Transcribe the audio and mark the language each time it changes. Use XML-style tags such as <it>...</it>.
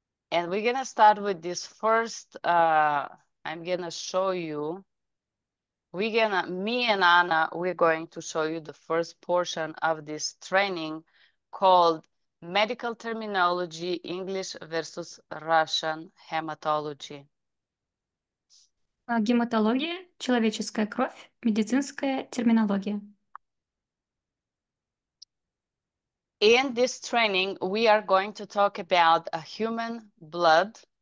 <en>And we're going to start with this first. I'm going to show you. Me and Anna, we're going to show you the first portion of this training called Medical Terminology, English versus Russian Hematology.</en> <ru>Гематология, человеческая кровь, медицинская терминология.</ru> <en>In this training, we are going to talk about a human blood.</en>